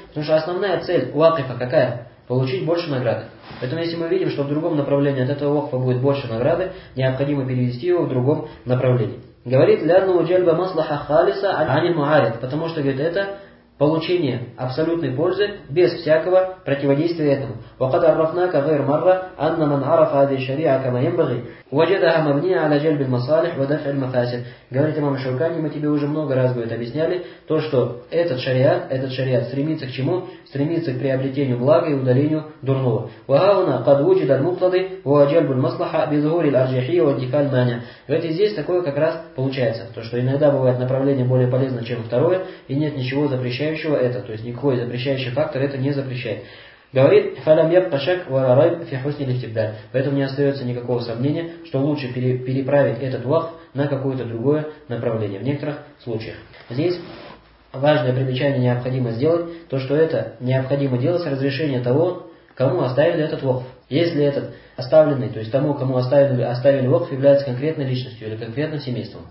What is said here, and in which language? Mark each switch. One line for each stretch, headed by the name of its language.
Russian: Потому что основная цель вакифа какая? Получить больше награды. Поэтому если мы видим, что в другом направлении от этого вакфа будет больше награды, необходимо перевести его в другом направлении. Говорит,
Arabic: «Лянну джальба маслаха халиса аль муарид».
Russian: Потому что, говорит, это получение абсолютной пользы без всякого противодействия этому.
Arabic: وقد عرفناك غير مرة أن من عرف هذه الشريعة كما ينبغي وجدها مبنية على جلب المصالح ودفع المفاسد.
Russian: Говорит имам Шаукани, мы тебе уже много раз будет объясняли то, что этот шариат стремится к чему? Стремится к приобретению блага и удалению дурного.
Arabic: وهنا قد وجد المقتضي هو جلب المصلحة بظهور الأرجحية وانتفاء المانع.
Russian: Говорит, здесь такое как раз получается, то что иногда бывает направление более полезно, чем второе, и нет ничего запрещающего это, то есть никакой запрещающий фактор это не запрещает. Говорит,
Arabic: فَلَمْ يَبْقَ شَكْ وَرَرَيْبْ فِي حُسْنِ الْإِفْتِبْدَالِ.
Russian: Поэтому не остается никакого сомнения, что лучше переправить этот вах на какое-то другое направление в некоторых случаях. Здесь важное примечание необходимо сделать, то что это необходимо делать с разрешения того, кому оставили этот вах. Если этот оставленный, то есть тому, кому оставили вакф, является конкретной личностью или конкретным семейством.